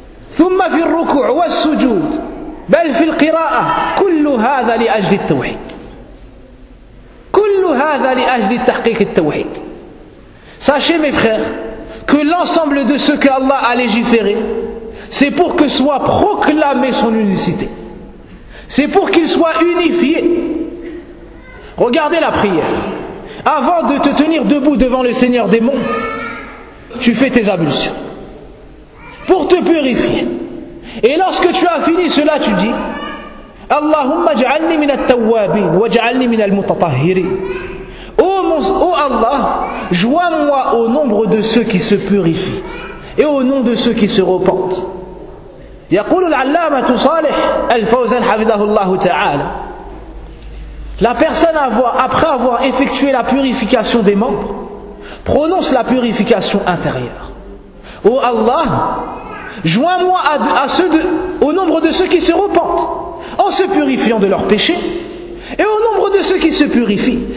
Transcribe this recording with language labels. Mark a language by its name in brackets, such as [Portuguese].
[Arabic] ثم في الركوع والسجود بل في القراءة كل هذا لأجل التوحيد كل هذا لأجل تحقيق التوحيد. [French] Sachez mes frères que l'ensemble de ce que Allah a légiféré, c'est pour que soit proclamé son unicité. C'est pour qu'il soit unifié. Regardez la prière. Avant de te tenir debout devant le Seigneur des mondes, tu fais tes ablutions pour te purifier. Et lorsque tu as fini cela, tu dis [Arabic] اللهم اجعلني من التوابين واجعلني من المتطهرين [French] Oh Allah, joins-moi au nombre de ceux qui se purifient et au nom de ceux qui se repentent. [Arabic] يقول العلامة صالح الفوزان حفظه الله تعالى. [French] La personne après avoir effectué la purification des membres prononce la purification intérieure. Oh Allah, joins-moi au nombre de ceux qui se repentent en se purifiant de leurs péchés et au nombre de ceux qui se purifient.